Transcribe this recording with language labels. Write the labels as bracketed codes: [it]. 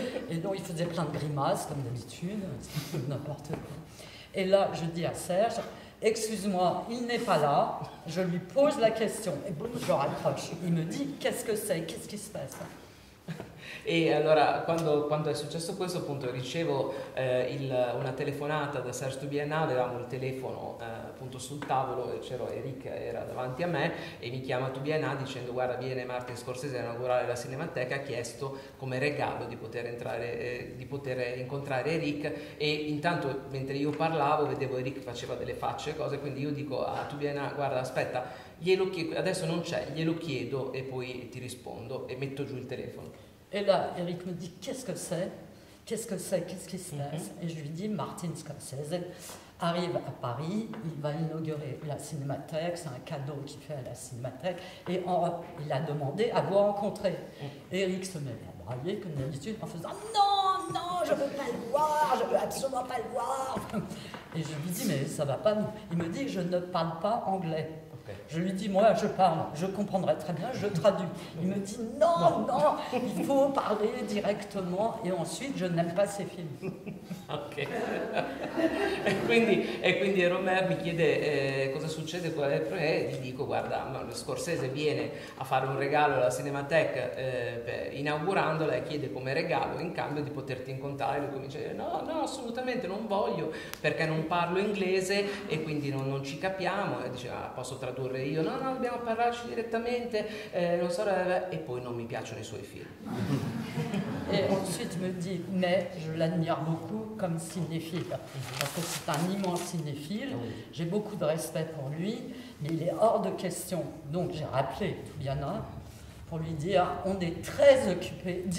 [fr] Et donc, il faisait plein de grimaces, comme d'habitude, n'importe quoi. Et là, je dis à Serge, excuse-moi, il n'est pas là, je lui pose la question, et boum, je raccroche. Il me dit, qu'est-ce que c'est? Qu'est-ce qui se passe? [it] E allora quando è successo questo, appunto, ricevo una telefonata da Sergio Biennale, avevamo il telefono appunto sul tavolo, c'ero Eric, era davanti a me, e mi chiama Tubiana dicendo: guarda, viene Martin Scorsese a inaugurare la Cinemateca, ha chiesto come regalo di poter entrare, di poter incontrare Eric. E intanto, mentre io parlavo, vedevo Eric faceva delle facce e cose, quindi io dico a Tubiana: guarda, aspetta, glielo chiedo, adesso non c'è, glielo chiedo e poi ti rispondo, e metto giù il telefono. E là Eric mi dice: [fr] qu'est-ce qui se passe? Mm-hmm. E je lui dis: Martin Scorsese arrive à Paris, il va inaugurer la Cinémathèque, c'est un cadeau qu'il fait à la Cinémathèque, et il a demandé à vous rencontrer. Eric se met à brailler, comme d'habitude, en faisant: non, je veux pas le voir, je veux absolument pas le voir. Et je lui dis: mais ça va pas, nous. Il me dit: je ne parle pas anglais. Je lui dis: moi, je parle, je comprendrai très bien, je traduis. Il me dit: non, il faut parler directement, et ensuite, je n'aime pas ces films. Ok. [it] E quindi Romer mi chiede cosa succede, qual è il problema, e gli dico: guarda, Scorsese viene a fare un regalo alla Cinemathèque inaugurandola, e chiede come regalo in cambio di poterti incontrare. Lui comincia a dire: no, assolutamente non voglio, perché non parlo inglese e quindi non ci capiamo. E dice: ah, posso tradurre io? No, dobbiamo parlarci direttamente, non so, e poi non mi piacciono i suoi film. [fr] Et ensuite me dit: mais je l'admire beaucoup comme cinéphile, parce que c'est un immense cinéphile, j'ai beaucoup de respect pour lui, mais il est hors de question. Donc j'ai rappelé Tubiana pour lui dire: on est très occupés.